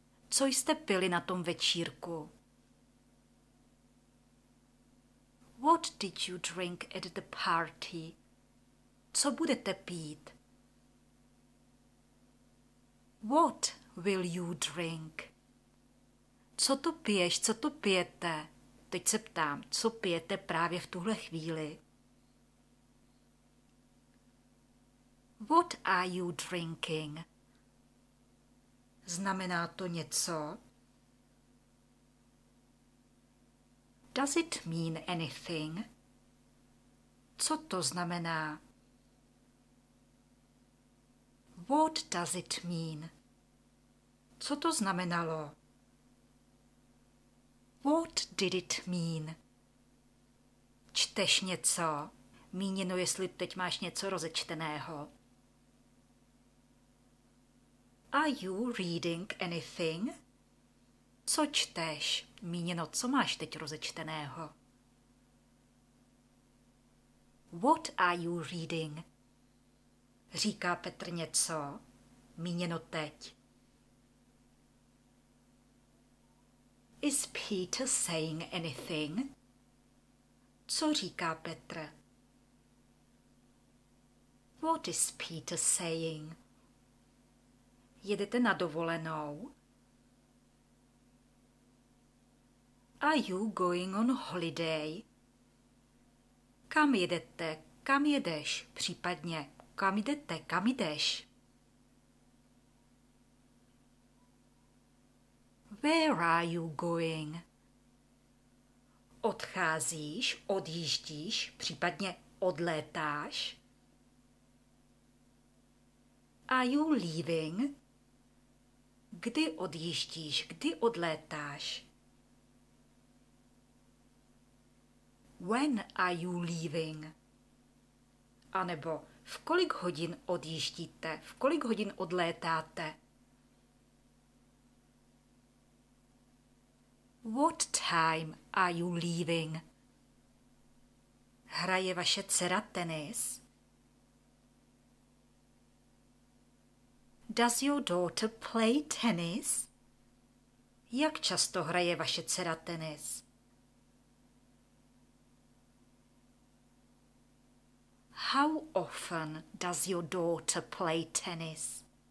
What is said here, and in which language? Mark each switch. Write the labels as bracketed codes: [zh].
[cs] Co jste pili na tom večírku? [en] What did you drink at the party? [cs] Co budete pít? [en] What will you drink? [cs] Co to piješ, co to pijete? Teď se ptám, co pijete právě v tuhle chvíli? [en] What are you drinking? [cs] Znamená to něco? [en] Does it mean anything? [cs] Co to znamená? [en] What does it mean? [cs] Co to znamenalo? [en] What did it mean? [cs] Čteš něco? Míněno, jestli teď máš něco rozečteného. [en] Are you reading anything? [cs] Co čteš? Míněno, co máš teď rozečteného. [en] What are you reading? [cs] Říká Petr něco, míněno teď. [en] Is Peter saying anything? [cs] Co říká Petr? [en] What is Peter saying? [cs] Jedete na dovolenou? [en] Are you going on holiday? [cs] Kam jedete? Kam jedeš? Případně kam jdete, kam jdeš? [en] Where are you going? [cs] Odcházíš, odjíždíš, případně odlétáš? [en] Are you leaving? [cs] Kdy odjíždíš, kdy odlétáš? [en] When are you leaving? [cs] Anebo v kolik hodin odjíždíte? V kolik hodin odlétáte? [en] What time are you leaving? [cs] Hraje vaše dcera tenis? [en] Does your daughter play tennis? [cs] Jak často hraje vaše dcera tenis? [en] How often does your daughter play tennis?